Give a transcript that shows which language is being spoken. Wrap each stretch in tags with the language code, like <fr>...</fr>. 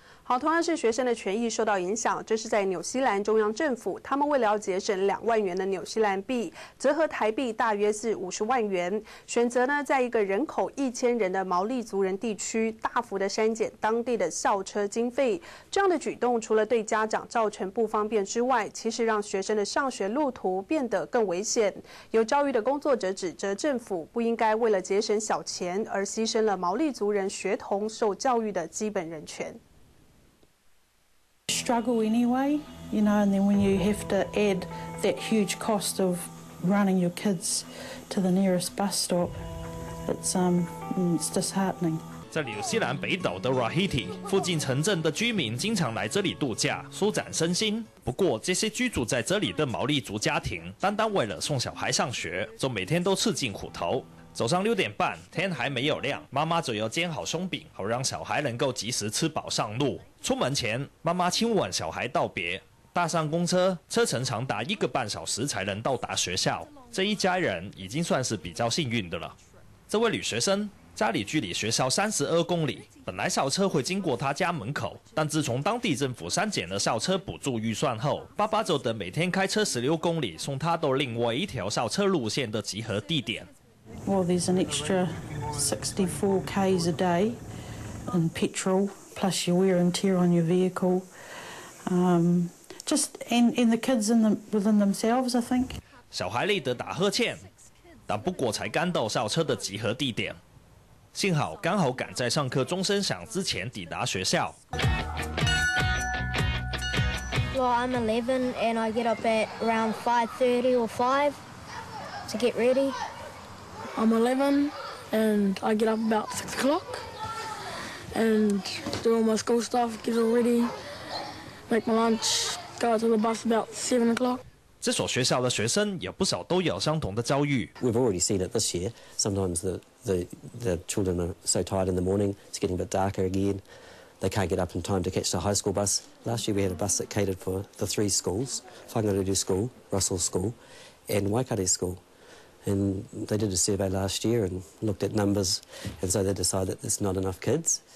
<zh>好，同样是学生的权益受到影响，这是在纽西兰中央政府，他们为了要节省2万元的纽西兰币，折合台币大约是50万元，选择呢在一个人口1000人的毛利族人地区，大幅的删减当地的校车经费。这样的举动除了对家长造成不方便之外，其实让学生的上学路途变得更危险。有教育的工作者指责政府不应该为了节省小钱而牺牲了毛利族人学童受教育的基本人权。</zh> <en>Struggle anyway, you know, and then when you have to add that huge cost of running your kids to the nearest bus stop, it's disheartening.</en> <zh>在纽西兰北岛的 Rahiti 附近城镇的居民经常来这里度假，舒展身心。不过，这些居住在这里的毛利族家庭，单单为了送小孩上学，就每天都吃尽苦头。早上6点半，天还没有亮，妈妈就要煎好松饼，好让小孩能够及时吃饱上路。出门前，妈妈亲吻小孩道别，搭上公车，车程长达1.5小时才能到达学校。这一家人已经算是比较幸运的了。这位女学生家里距离学校32公里，本来校车会经过她家门口，但自从当地政府删减了校车补助预算后，爸爸就得每天开车16公里送她到另外一条校车路线的集合地点。</zh> <en>Well, there's an extra 64 k's a day in petrol, plus your wear and tear on your vehicle. And the kids in the within themselves, I think.</en> <zh>小孩累得打呵欠，但不过才刚到校车的集合地点，幸好刚好赶在上课钟声响之前抵达学校。</zh> <en>Well, I'm 11 and I get up at around 5:30 or 5 to get ready. I'm 11 and I get up about 6 o'clock and do all my school stuff, get all ready, make my lunch, go out to the bus about 7 o'clock.</en> <zh>这所学校的学生有不少都有相同的遭遇。</zh> <en>We've already seen it this year. Sometimes the children are so tired in the morning, it's getting a bit darker again. They can't get up in time to catch the high school bus. Last year we had a bus that catered for the 3 schools, Whangarudu School, Russell School and Waikare School. And they did a survey last year and looked at numbers, and so they decided that there's not enough kids.</en>